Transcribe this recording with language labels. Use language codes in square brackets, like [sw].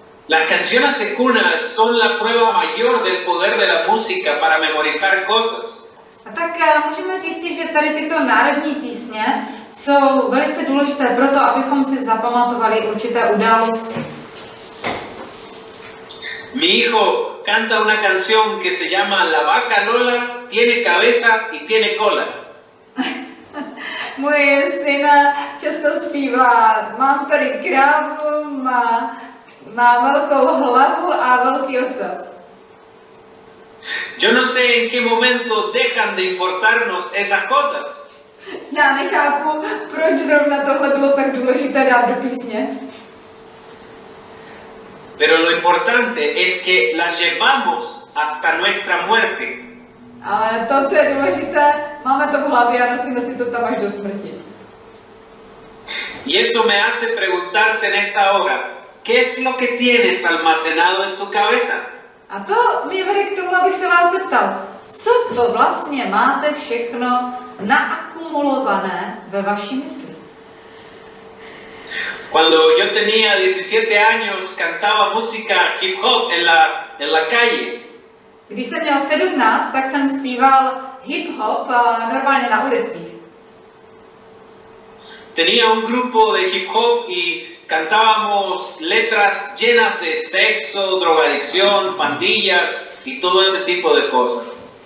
[es] Las canciones de cuna son la prueba mayor del poder de la música para memorizar cosas. [cs] A tak můžeme říct si, že tady tyto národní písně jsou velice důležité pro to, abychom si zapamatovali určité události. [es] Mi hijo canta una canción que se llama La vaca Lola tiene cabeza y tiene cola. [cs] Můj syn často zpívá, mám tady krávu, má velkou hlavu a velký ocas. [es] Yo no sé en qué momento dejan de importarnos esas cosas. [cs] Já nechápu, proč zrovna tohle bylo tak důležité dát do písně. [es] Pero lo importante es que las llevamos hasta nuestra muerte. [cs] Ale to, co je důležité, máme to v hlavě a nosíme si to tam až do smrti. [es] Y eso me hace preguntarte en esta hora, ¿qué es lo que tienes almacenado en tu cabeza? [cs] A to mě vede k tomu, abych se vás zeptal, co to vlastně máte všechno naakumulované ve vaší mysli? [es] Cuando yo tenía 17 años cantaba música hip hop en la calle. [cs] Když jsem měl 17, tak jsem zpíval hip hop normálně na ulici. [es] Tenía un grupo de hip hop y cantábamos letras llenas de sexo, drogadicción, pandillas y todo ese tipo de cosas.